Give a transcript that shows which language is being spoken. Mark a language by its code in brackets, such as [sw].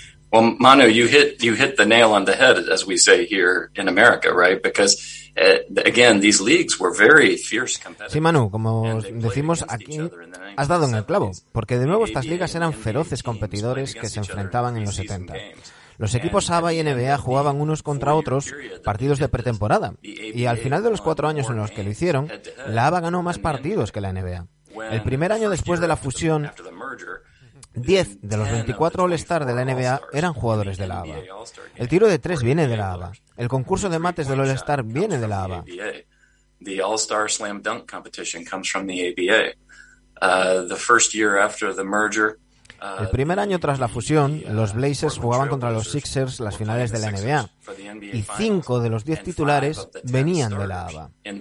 [en] Well, Manu, you hit the nail on the head, as we say here in America, right? Because again, these leagues were very fierce competitors. [es] Sí, Manu, como decimos aquí, has dado en el clavo, porque de nuevo estas ligas eran feroces competidores que se enfrentaban en los 70. Los equipos ABA y NBA jugaban unos contra otros partidos de pretemporada, y al final de los 4 años en los que lo hicieron, la ABA ganó más partidos que la NBA. El primer año después de la fusión, 10 de los 24 All-Star de la NBA eran jugadores de la ABA. El tiro de 3 viene de la ABA. El concurso de mates del All-Star viene de la ABA. [en] The All-Star Slam Dunk Competition comes from the ABA. The first year after the merger. [es] El primer año tras la fusión, los Blazers jugaban contra los Sixers las finales de la NBA. Y 5 de los 10 titulares venían de la ABA.